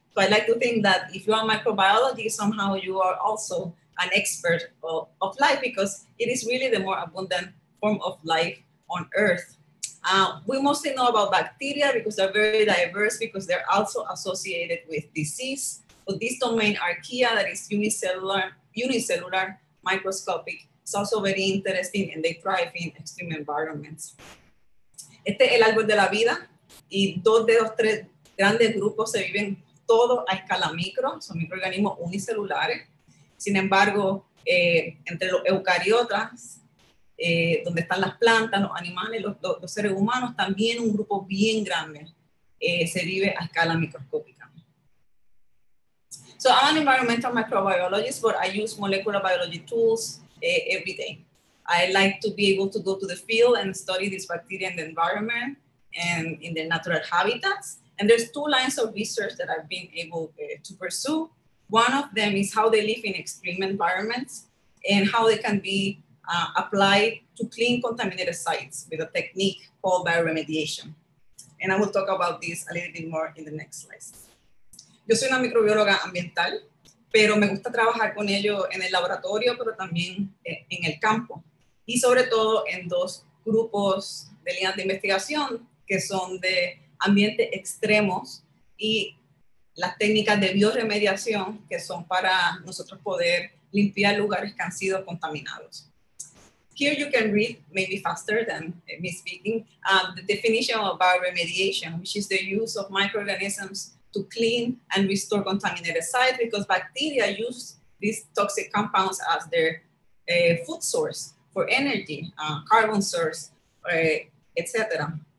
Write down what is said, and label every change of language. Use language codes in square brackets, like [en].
[en] So I like to think that if you are microbiologist, somehow you are also an expert of life because it is really the more abundant form of life on Earth. We mostly know about bacteria because they're very diverse because they're also associated with disease. But this domain archaea that is unicellular, microscopic, is also very interesting and they thrive in extreme environments. [es] Este es el árbol de la vida y dos de los tres grandes grupos se viven todo a escala micro, son microorganismos unicelulares. Sin embargo, entre los eucariotas, donde están las plantas, los animales, los seres humanos, también un grupo bien grande se vive a escala microscópica. [en] So I'm an environmental microbiologist, but I use molecular biology tools every day. I like to be able to go to the field and study these bacteria in the environment and in their natural habitats. And there's two lines of research that I've been able to pursue. One of them is how they live in extreme environments and how they can be applied to clean contaminated sites with a technique called bioremediation. And I will talk about this a little bit more in the next slide. [es] Yo soy una microbióloga ambiental, pero me gusta trabajar con ellos en el laboratorio, pero también en el campo. Y sobre todo en dos grupos de líneas de investigación que son de ambientes extremos y las técnicas de bioremediación que son para nosotros poder limpiar lugares que han sido contaminados. [en] Here you can read maybe faster than me speaking the definition of bioremediation, which is the use of microorganisms to clean and restore contaminated sites because bacteria use these toxic compounds as their food source for energy, carbon source, etc.